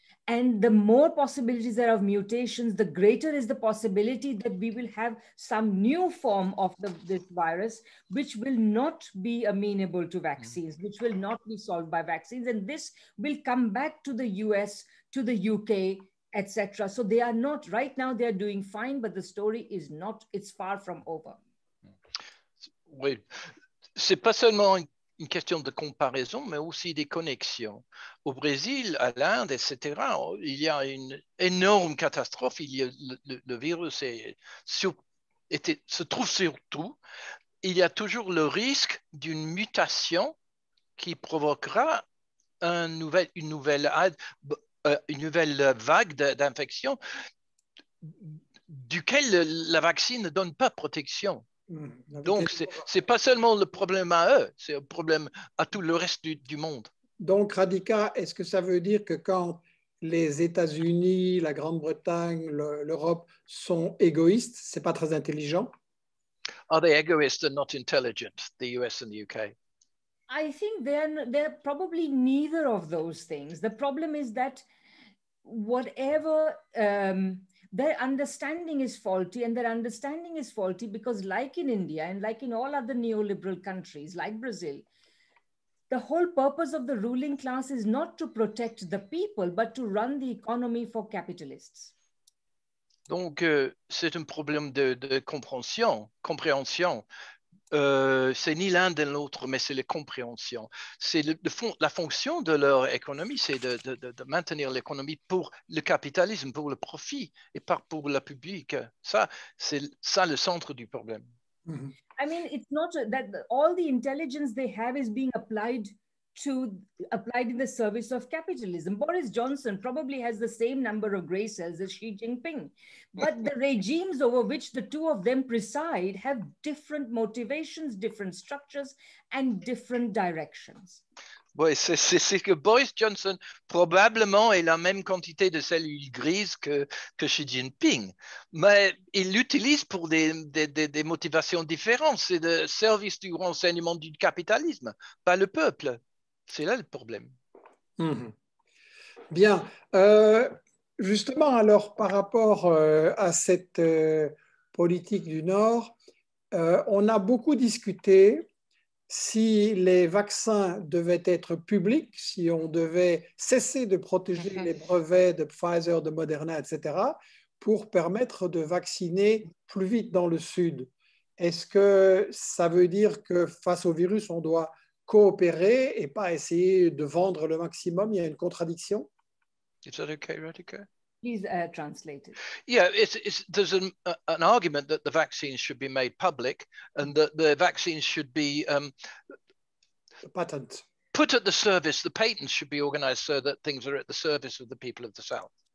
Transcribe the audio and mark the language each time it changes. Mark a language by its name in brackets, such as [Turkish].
[English] And the more possibilities there are of mutations, the greater is the possibility that we will have some new form of this virus, which will not be amenable to vaccines, which will not be solved by vaccines. And this will come back to the US, to the UK, et cetera. So they are not, right now they are doing fine, but the story is not, it's far from over. [French] Oui, c'est pas seulement une question de comparaison, mais aussi des connexions. Au Brésil, à l'Inde, etc., il y a une énorme catastrophe. Il y a le virus se trouve surtout. Il y a toujours le risque d'une mutation qui provoquera une nouvelle vague d'infection duquel la vaccine ne donne pas protection. Donc, ce n'est pas seulement le problème à eux, c'est un problème à tout le reste du monde. Donc, Radhika, est-ce que ça veut dire que quand les États-Unis, la Grande-Bretagne, l'Europe sont égoïstes, ce n'est pas très intelligent? [English] Are they egoist and not intelligent, the US and the UK? I think they're probably neither of those things. The problem is that whatever their understanding is faulty, and their understanding is faulty because, like in India and like in all other neoliberal countries like Brazil, the whole purpose of the ruling class is not to protect the people, but to run the economy for capitalists. [French] Donc, c'est un problème de compréhension. C'est ni l'un ni l'autre, mais c'est la compréhension. C'est la fonction de leur économie, c'est de maintenir l'économie pour le capitalisme, pour le profit, et pas pour le public. Ça, c'est ça le centre du problème. Mm-hmm. [English] I mean, it's not that all the intelligence they have is being applied in the service of capitalism. Boris Johnson probably has the same number of gray cells as Xi Jinping, but the regimes over which the two of them preside have different motivations, different structures, and different directions. [French] Oui, c'est que Boris Johnson probablement a la même quantité de cellules grises que Xi Jinping, mais il l'utilise pour des motivations différentes. C'est le service du renseignement du capitalisme, pas le peuple. C'est là le problème. Mmh. Bien. Justement, alors, par rapport à cette politique du Nord, on a beaucoup discuté si les vaccins devaient être publics, si on devait cesser de protéger les brevets de Pfizer, de Moderna, etc., pour permettre de vacciner plus vite dans le Sud. Est-ce que ça veut dire que face au virus, on doit coopérer et pas essayer de vendre le maximum? Il y a une contradiction? [English] Is that okay, Radhika? Please translate it. Yeah, there's an argument that the vaccines should be made public and that the vaccines should be patent. Put at the service, the patents should be organized so that things are at the service of the people of the South.